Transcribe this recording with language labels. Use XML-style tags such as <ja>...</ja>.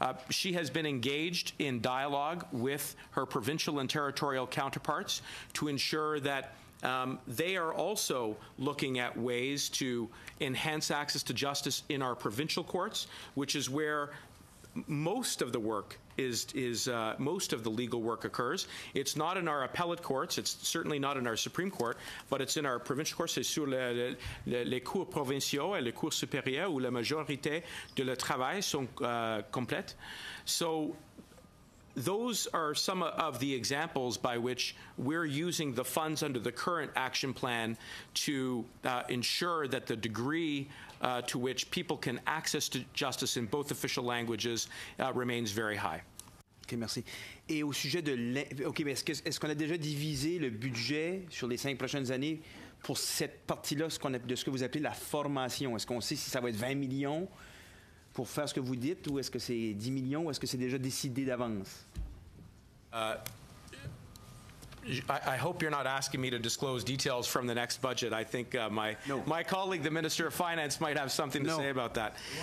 <en>She has been engaged in dialogue with her provincial and territorial counterparts to ensure that they are also looking at ways to enhance access to justice in our provincial courts, which is where most of the work most of the legal work occurs. It's not in our appellate courts. It's certainly not in our Supreme Court, but it's in our provincial courts.</en> <fr>C'est sur les cours provinciaux et les cours supérieurs où la majorité de le travail sont complètes.</fr> <en>So those are some of the examples by which we're using the funds under the current action plan to ensure that the degree to which people can access to justice in both official languages remains very high.</en> <fr>OK, merci. Et au sujet de... OK, mais est-ce qu'on a déjà divisé le budget sur les 5 prochaines années pour cette partie-là de ce que vous appelez la formation? Est-ce qu'on sait si ça va être 20 millions pour faire ce que vous dites, ou est-ce que c'est 10 millions, ou est-ce que c'est déjà décidé d'avance?</fr> <en>I hope you're not asking me to disclose details from the next budget. I think my colleague, the Minister of Finance, might have something to say about that.</en>